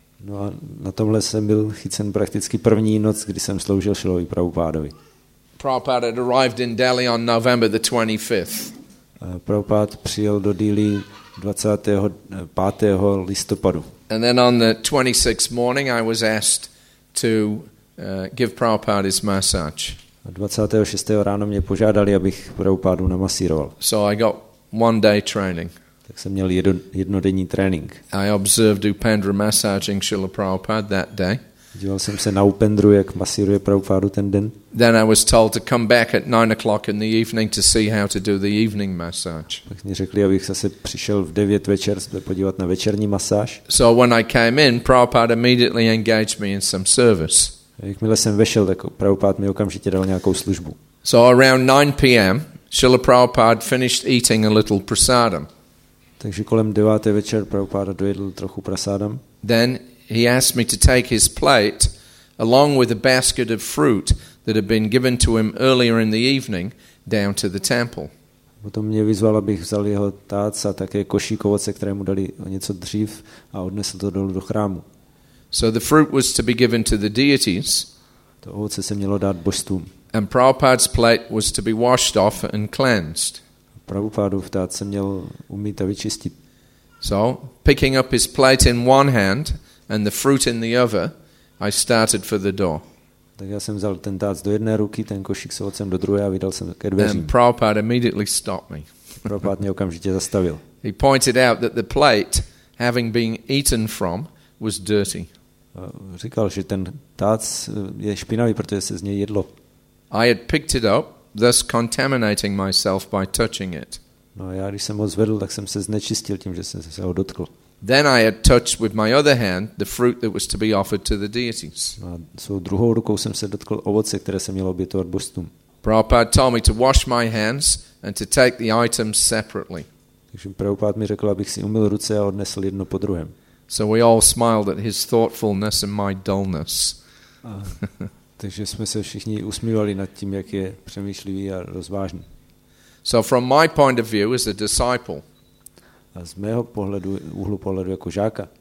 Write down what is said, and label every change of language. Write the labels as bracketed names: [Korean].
[Czech] No a na tomhle jsem byl chycen prakticky první noc, kdy jsem sloužil Srilovi Prabhupádovi. [English] Prabhupada had arrived in Delhi on November the 25th. [Czech] Prabhupada přijel do Delhi 25. listopadu. [English] And then on the 26th morning I was asked to give Prabhupada his massage. [Czech] 26. ráno mě požádali, abych Prabhupádu namasíroval. [English] So I got one day training. [Czech] Tak jsem měl jednodenní trénink. [English] I observed Upendra massaging Srila Prabhupada that day. [Czech] Díval jsem se na Upendru, jak masíruje Prabhupádu ten den. [English] Then I was told to come back at 9 o'clock in the evening to see how to do the evening massage. [Czech] Tak mi řekli, abych zase přišel v 9 večer se podívat na večerní masáž. [English] So when I came in, Prabhupada immediately engaged me in some service. [Czech] Jakmile jsem vešel, tak Prabhupád mi okamžitě dal nějakou službu. [English] So around 9 p.m. Srila Prabhupada finished eating a little prasadam. [Czech] Takže kolem 9 večer Prabhupáda dojedl trochu prasadam. [English] Then he asked me to take his plate along with a basket of fruit that had been given to him earlier in the evening down to the temple. [Czech] Potom mě vyzval, abych vzal jeho tác a také košík ovoce, které mu dali o něco dřív, a odnesl to dolů do chrámu. [English] So the fruit was to be given to the deities. [Czech] To ovoce se mělo dát božstvům. [English] And Prabhupada's plate was to be washed off and cleansed. [Czech] Prabhupádův tác se měl umýt a vyčistit. [English] So, picking up his plate in one hand and the fruit in the other, I started for the door. [Czech] Tak já jsem vzal ten tác do jedné ruky, ten košík s ovocem do druhé a vydal jsem ke dveřím. [English] And Prabhupada immediately stopped me. [Czech] Prabhupád mě okamžitě zastavil. [English] He pointed out that the plate, having been eaten from, was dirty. [Czech] Říkal, že ten tác je špinavý, protože se z něj jedlo. [English] I had picked it up, thus contaminating myself by touching it. [Czech] No, já když jsem ho zvedl, tak jsem se znečistil tím, že jsem se ho dotkl. [English] Then I had touched with my other hand the fruit that was to be offered to the deities. [Czech] No, svou druhou rukou jsem se dotkl ovoce, které se mělo obětovat božstvům. [English] Prabhupada told me to wash my hands and to take the items separately. [Czech] Takže Prabhupada mi řekl, abych si umyl ruce a odnesl jedno po druhém. [English] So we all smiled at his thoughtfulness and my dullness. [Czech] Takže jsme se všichni usmívali nad tím, jak je přemýšlivý a rozvážný. [English] So from my point of view as a disciple. [Czech] A z mého pohledu, úhlu pohledu jako žáka.